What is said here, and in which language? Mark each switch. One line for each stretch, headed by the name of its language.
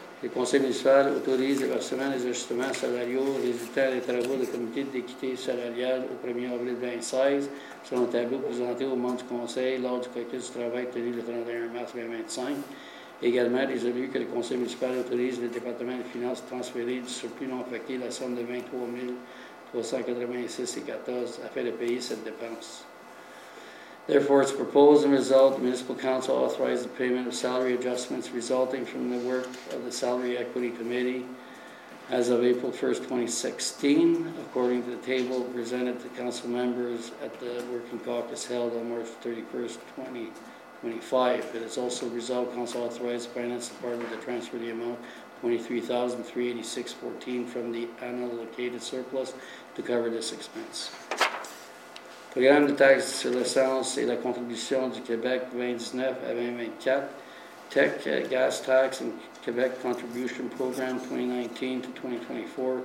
French: Le conseil municipal autorise les versements des ajustements salariaux résultant des travaux du comité d'équité salariale au 1er avril 2016, selon le tableau présenté au membres du conseil lors du caucus du travail tenu le 31 mars 2025. Également, résolu que le conseil municipal autorise le département des finances de transférer du surplus non affecté la somme de 23 386,14 afin de payer cette dépense.
English: Therefore, it's proposed and resolved the Municipal Council authorize the payment of salary adjustments resulting from the work of the Salary Equity Committee as of April 1st, 2016, according to the table presented to council members at the Working Caucus held on March 31st, 25. It is also resolved Council authorized the Finance Department to transfer the amount $23,386.14 from the unallocated surplus to cover this expense.
French: Programme de taxes sur l'essence et la contribution du Québec 29 à 2024.
English: Tech gas tax and Quebec contribution program 2019 to 2024.